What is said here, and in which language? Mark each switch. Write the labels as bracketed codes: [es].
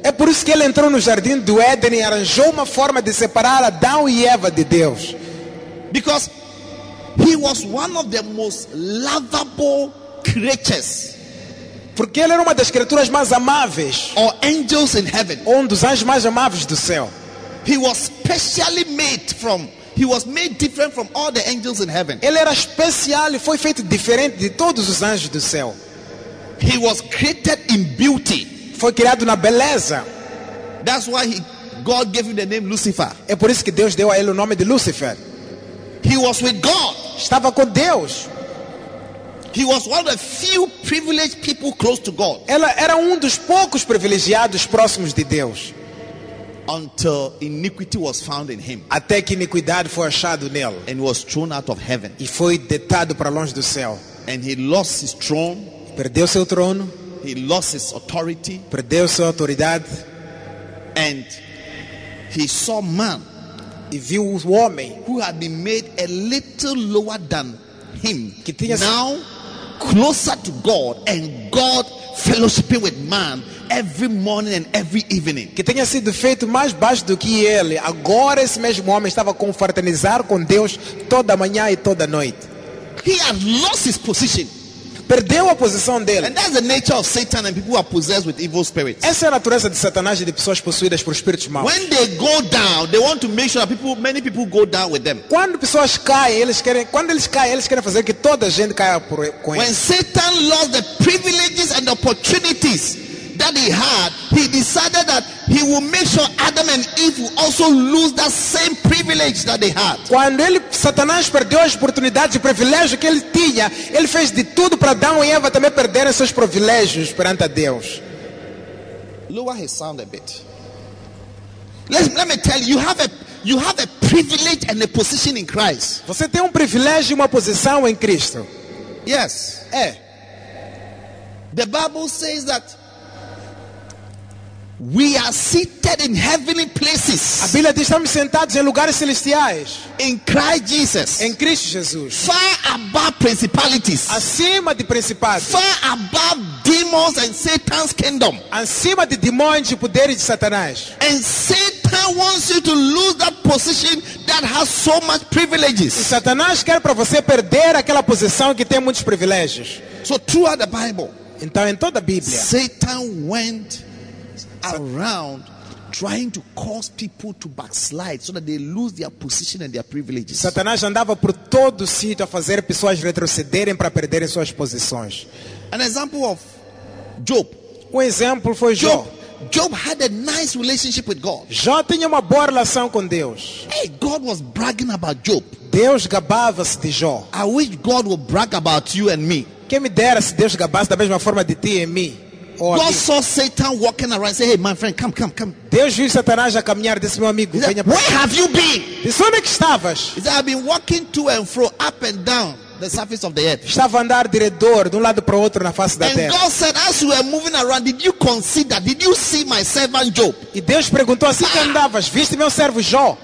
[pt] É por isso que ele entrou no jardim do Éden e arranjou uma forma de separar Adão e Eva de Deus. [en] Because he was one of the most lovable creatures. [pt] Porque ele era uma das criaturas mais amáveis. [en] Or angels in heaven. [pt] Um dos anjos mais amáveis do céu. [en] He was specially made from. He was made different from all the angels in heaven. [pt] Ele era especial e foi feito diferente de todos os anjos do céu. [en] He was created in beauty. [pt] Foi criado na beleza. [en] That's why God gave him the name Lucifer. [pt] É por isso que Deus deu a ele o nome de Lucifer. [en] He was with God. [pt] Estava com Deus. [en] He was one of the few privileged people close to God. [pt] Ela era dos poucos privilegiados próximos de Deus. [en] Until iniquity was found in him. [pt] Até que iniquidade foi achado nele. [en] And was thrown out of heaven. [pt] E foi deitado para longe do céu. [en] And he lost his throne. [pt] Perdeu seu trono. [en] He lost his authority. [pt] Perdeu sua autoridade. [en] And he saw man. [pt] E viu o homem [en] who had been made a little lower than him, [pt] que tinha [en] now closer to God and God fellowshipping with man every morning and every evening. [pt] Que tinha sido feito mais baixo do que ele. Agora esse mesmo homem estava confraternizar com Deus toda manhã e toda noite. [en] He had lost his position. [pt] Perdeu a posição dele. [en] And that's the nature of Satan and people who are possessed with evil spirits. [pt] Essa é a natureza de Satanás e de pessoas possuídas por espíritos maus. [en] When they go down, they want to make sure that many people go down with them. [pt] Quando pessoas caem, eles querem fazer que toda a gente caia com eles. [en] When Satan lost the privileges and opportunities that he had, he decided that he will make sure Adam and Eve will also lose that same privilege that they had. [pt] Quando ele, Satanás, perdeu as oportunidades e privilégios que ele tinha, ele fez de tudo para Adão e Eva também perderem seus privilégios perante a Deus. [en] Lower his sound a bit. Let me tell you, you have a privilege and a position in Christ. [pt] Você tem privilégio e uma posição em Cristo. [en] Yes. [pt] É. [en] The Bible says that we are seated in heavenly places. [pt] A Bíblia diz, estamos sentados em lugares celestiais. [en] In Christ Jesus. [pt] Em Cristo Jesus. [en] Far above principalities. [pt] Acima de principados. [en] Far above demons and Satan's kingdom. [pt] Acima de demônios e poderes de Satanás. [en] And Satan wants you to lose that position that has so much privileges. [pt] E Satanás quer para você perder aquela posição que tem muitos privilégios. [en] So throughout the Bible. [pt] Então em toda a Bíblia. [en] Satan went around trying to cause people to backslide so that they lose their position and their privileges. [pt] Satanás andava por todo o sítio a fazer pessoas retrocederem para perderem suas posições. [en] An example of Job. [pt] Um exemplo foi Job. [en] Job had a nice relationship with God. [pt] Já tinha uma boa relação com Deus. [en] Hey, God was bragging about Job. [pt] Deus gabava-se de Jó. [en] I wish God would brag about you and me. [pt] Quem me dera se Deus gabasse da mesma forma de ti e me. [en] God saw Satan walking around and said, "Hey, my friend, come." [pt] Deus viu Satanás a caminhar, disse, meu amigo, venha. [en] Where have you been? [pt] Disse, onde que estavas? [en] He said, "I've been walking to and fro, up and down the surface of the earth." [pt] Estava a andar de redor, de lado para o outro na face da terra. [en] And God said, "As you were moving around, did you consider? Did you see my servant Job?" [pt] E Deus perguntou, assim que andavas, viste meu servo Jó?